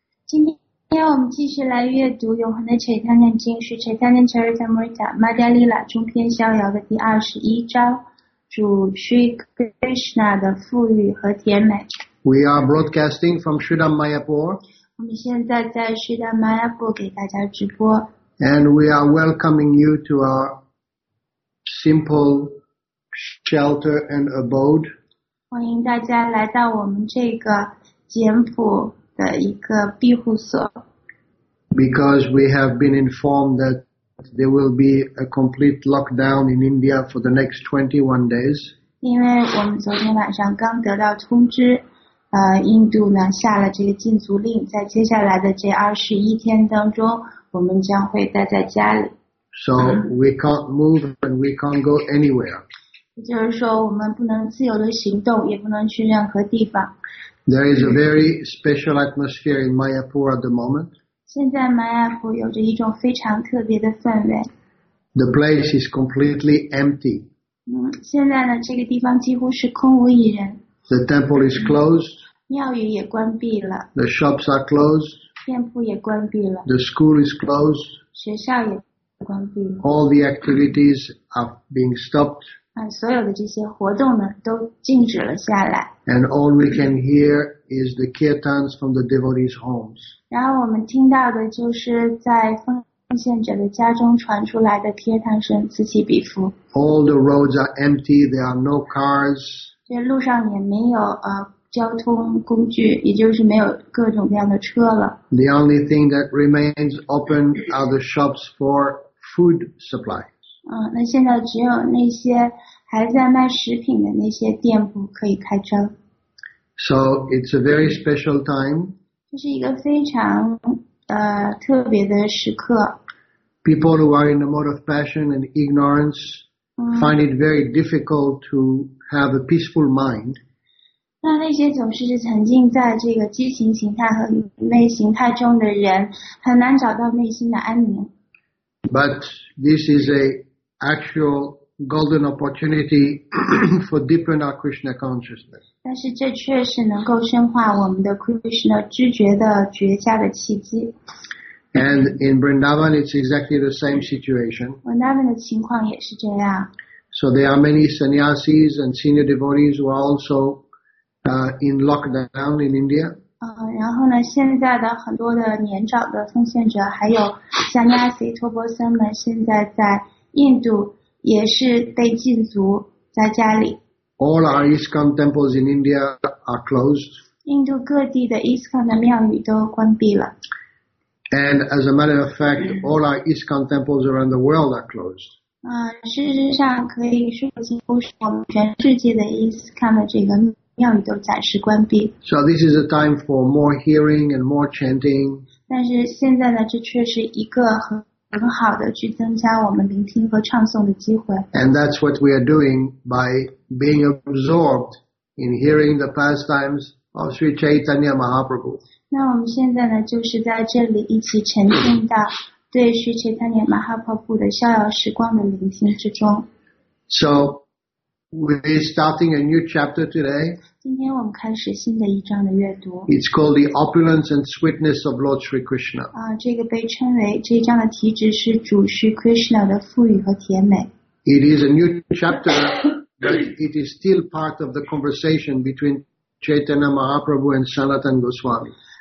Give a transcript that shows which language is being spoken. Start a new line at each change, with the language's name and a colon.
Chinese: 今天我们继续来阅读永恒的《Chaitanya经》，是《Chaitanya Charitamrita》Madhya Lila 中篇逍遥的第21章，主 Sri Krishna 的富裕和甜美。
English: We are broadcasting from Sridhar Mayapur.
Chinese: 我们现在在 Sridhar Mayapur 给大家直播。
English: And we are welcoming you to our simple shelter and abode.
Chinese: 欢迎大家来到我们这个简朴。的一个庇护所
English: Because we have been informed that there will be a complete lockdown in India for the next 21 days.
Chinese: 因为我们昨天晚上刚得到通知，印度呢下了这个禁足令，在接下来的这21天当中，我们将会待在家里。
English: So we can't move and we can't go anywhere.
Chinese: 也就是说，我们不能自由的行动，也不能去任何地方。
English: There is a very special atmosphere in Mayapur at the moment.
Chinese: 现在 Mayapur 有着一种非常特别的氛围。
English: The place is completely empty.
Chinese: 现在呢，这个地方几乎是空无一人。
English: The temple is closed.
Chinese: 庙宇也关闭了。
English: The shops are closed.
Chinese: 店铺也关闭了。
English: The school is closed.
Chinese: 学校也关闭了。
English: All the activities are being stopped.
Chinese: 所有的这些活动呢都禁止了下来。
English: And all we can hear is the kirtans from the devotees' homes.
Chinese: 然后我们听到的就是在奉献者的家中传出来的 kirtan 声，此起彼伏。
English: All the roads are empty, there are no cars.
Chinese: 这路上也没有交通工具，也就是没有各种各样的车了。
English: The only thing that remains open are the shops for food supply.
Chinese: 那现在只有那些还在卖食品的那些店铺可以开张。
English: So it's a very special time.
Chinese: 这是一个非常特别的时刻。
English: People who are in a mode of passion and ignorance find it very difficult to have a peaceful mind.
Chinese: 那些总是沉浸在这个激情形态和愚昧形态中的人，很难找到内心的安宁。
English: But this is a actual golden opportunity for deepening our Krishna consciousness.
Chinese: 但是这确实能够深化我们的 Krishna 知觉的绝佳的契机。
English: And in Vrindavan, it's exactly the same situation.
Chinese: Vrindavan 的情况也是这样。
English: So there are many sannyasis and senior devotees who are also in lockdown in India.
Chinese: 然后呢，现在的很多的年长的奉献者，还有sannyasi托钵僧们，现在在印度也是被禁足在家里。
English: All our ISKCON temples in India are closed.
Chinese: 印度各地的 ISKCON 的庙宇都关闭了。
English: And as a matter of fact, all our ISKCON temples around the world are closed.
Chinese: 事实上可以说几乎是我们全世界的 ISKCON 的这个庙宇都暂时关闭。
English: So this is a time for more hearing and more chanting.
Chinese: 但是现在呢，这却是一个很好的去增加我们聆听和唱诵的机会。
English: And that's what we are doing by being absorbed in hearing the pastimes of Sri Chaitanya Mahaprabhu.
Chinese: 那我们现在呢，就是在这里一起沉浸到对Sri Chaitanya Mahaprabhu的逍遥时光的聆听之中。
English: So, we're starting a new chapter today.
Chinese: 今天我们开始新的一章的阅读。
English: It's called The Opulence and Sweetness of Lord Sri Krishna.
Chinese: 这个被称为这一章的题旨是主Sri Krishna的富裕和甜美。
English: It is a new chapter, but it is still part of the conversation between Chaitanya Mahaprabhu and Sanatana Goswami.